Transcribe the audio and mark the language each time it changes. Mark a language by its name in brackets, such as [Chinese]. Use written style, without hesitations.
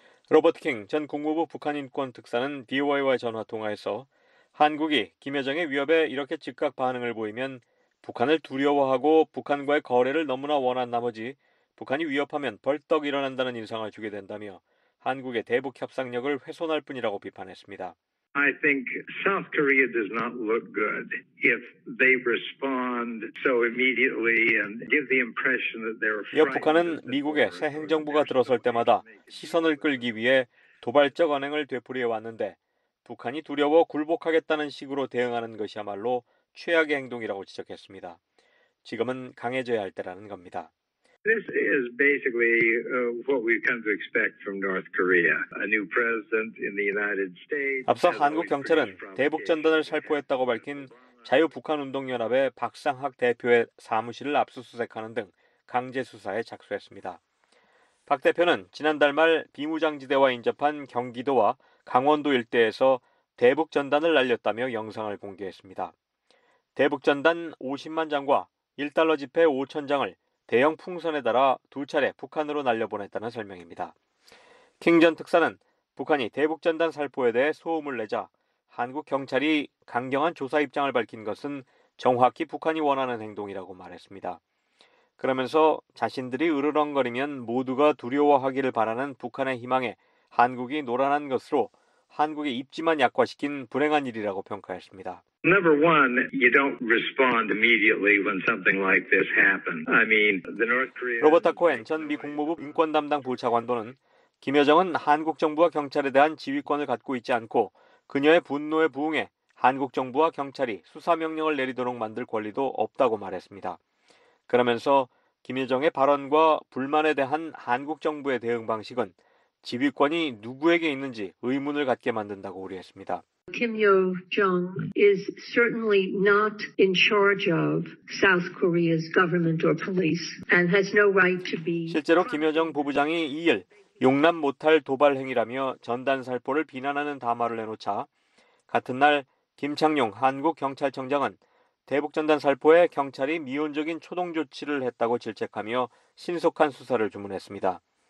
[Korean] 로버트 킹 전 국무부 북한인권특사는 VOA와 전화통화에서 한국이 김여정의 위협에 이렇게 즉각 반응을 보이면 북한을 두려워하고 북한과의 거래를 너무나 원한 나머지 북한이 위협하면 벌떡 일어난다는 인상을 주게 된다며 한국의 대북 협상력을 훼손할 뿐이라고 비판했습니다. [English] I think South Korea does not look good if they respond so immediately and give the impression that they're afraid. [Korean] 북한은 미국의 새 행정부가 들어설 때마다 시선을 끌기 위해 도발적 언행을 되풀이해 왔는데 북한이 두려워 굴복하겠다는 식으로 대응하는 것이야말로 최악의 행동이라고 지적했습니다. 지금은 강해져야 할 때라는 겁니다. [English] This is basically what we've come to expect from North Korea. A new president in the United States. [Korean] 앞서 한국 경찰은 대북 전단을 살포했다고 밝힌 자유북한운동연합의 박상학 대표의 사무실을 압수수색하는 등 강제 수사에 착수했습니다. 박 대표는 지난달 말 비무장지대와 인접한 경기도와 강원도 일대에서 대북 전단을 날렸다며 영상을 공개했습니다. 대북 전단 50만 장과 1달러 지폐 5천 장을 대형 풍선에 달아 두 차례 북한으로 날려보냈다는 설명입니다. 킹 전 특사는 북한이 대북 전단 살포에 대해 소음을 내자 한국 경찰이 강경한 조사 입장을 밝힌 것은 정확히 북한이 원하는 행동이라고 말했습니다. 그러면서 자신들이 으르렁거리면 모두가 두려워하기를 바라는 북한의 희망에 한국이 노란한 것으로 한국의 입지만 약화시킨 불행한 일이라고 평가했습니다. [English] Number one, you don't respond immediately when something like this happens. I mean, the North Korea. [Korean] 로버트 코엔 전 미 국무부 인권 담당 부차관도는 김여정은 한국 정부와 경찰에 대한 지휘권을 갖고 있지 않고 그녀의 분노에 부응해 한국 정부와 경찰이 수사 명령을 내리도록 만들 권리도 없다고 말했습니다. 그러면서 김여정의 발언과 불만에 대한 한국 정부의 대응 방식은 지휘권이 누구에게 있는지 의문을 갖게 만든다고 우려했습니다. [English] Kim Yo-jong is certainly not in charge of South Korea's government or police and has no right to be. [Korean] 실제로 김여정 부부장이 이일 용납 못할 도발 행위라며 전단 살포를 비난하는 담화를 내놓자 같은 날 김창룡 한국 경찰청장은 대북 전단 살포에 경찰이 미온적인 초동 조치를 했다고 질책하며 신속한 수사를 주문했습니다.